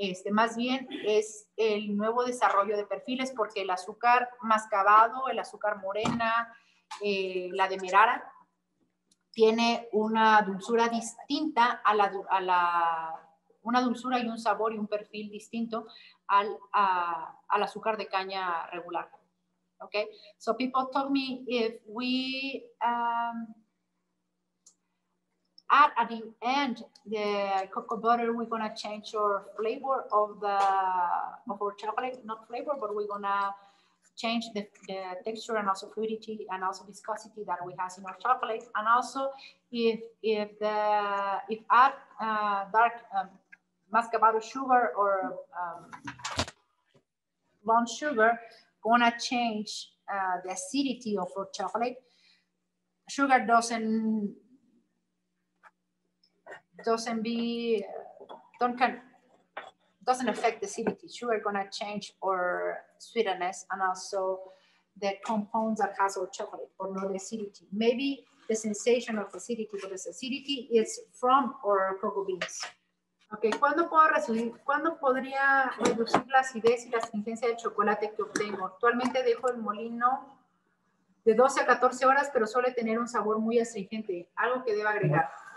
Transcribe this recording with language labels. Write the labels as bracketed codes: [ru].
[es] Más bien es el nuevo desarrollo de perfiles, porque el azúcar mascabado, el azúcar morena, la demerara, tiene una dulzura distinta a la una dulzura y un sabor y un perfil distinto al azúcar de caña regular. [en] Okay, so people told me if we at the end the cocoa butter, we're gonna change our flavor of our chocolate, not flavor, but we're gonna change the texture and also fluidity and also viscosity that we have in our chocolate. And also if add dark mascabado sugar or brown sugar, gonna change the acidity of our chocolate. Sugar doesn't affect the acidity. Sugar gonna change our sweetness and also the compounds that has our chocolate, or not acidity. Maybe the sensation of acidity, but the acidity is from our cocoa beans. [es] Okay, ¿cuándo podría reducir la acidez y la astringencia del chocolate que obtengo? Actualmente dejo el molino de 12 a 14 horas, pero suele tener un sabor muy astringente. Algo que deba agregar.